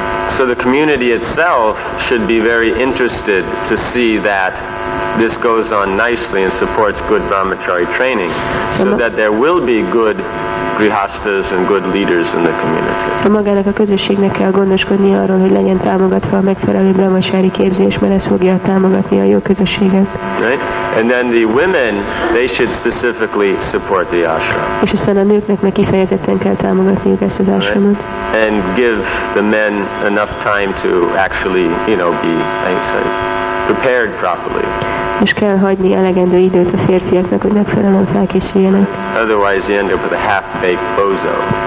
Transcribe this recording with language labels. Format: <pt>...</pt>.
<en>So the community itself should be very interested to see that this goes on nicely and supports good brahmachari training, so that there will be good grihasthas and good leaders in the community.</en> <hu>A magának a közösségnek kell gondoskodnia arról, hogy legyen támogatva a megfelelő brahmachari képzés, mert ez fogja támogatni a jó közösséget.</hu> <en>Right? And then the women, they should specifically support the ashram.</en> <hu>És aztán a nőknek meg kifejezetten kell támogatniuk ezt az ashramot.</hu> <en>Right? And give the men enough time to actually, you know, be, I say, prepared properly.</en> <hu>És kell hagyni elegendő időt a férfiaknak, hogy megfelelően felkészüljenek.</hu> <en>Otherwise you end up with a half-baked bozo.</en>